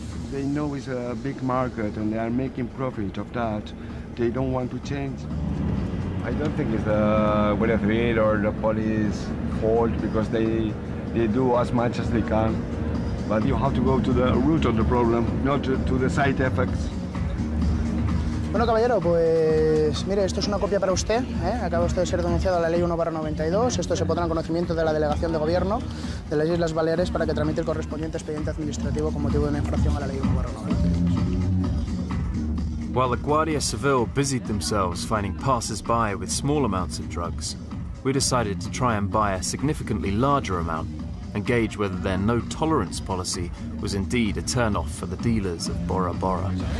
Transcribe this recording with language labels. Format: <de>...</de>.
<en>They know it's a big market and they are making profit of that. They don't want to change. I don't think it's the Guardia Civil or the police fault, because they do as much as they can. But you have to go to the root of the problem, not to the side effects.</en> <es>Bueno, caballero, pues mire, esto es una copia para usted. Acaba usted de ser denunciado a la ley 1/92. Esto se pondrá en conocimiento de la delegación de gobierno de las Islas Baleares para que tramite el correspondiente expediente administrativo con motivo de una infracción a la ley 1/92.</es> <en>While the Guardia Civil busied themselves finding passers-by with small amounts of drugs, we decided to try and buy a significantly larger amount and gauge whether their no-tolerance policy was indeed a turn-off for the dealers of Bora Bora.</en>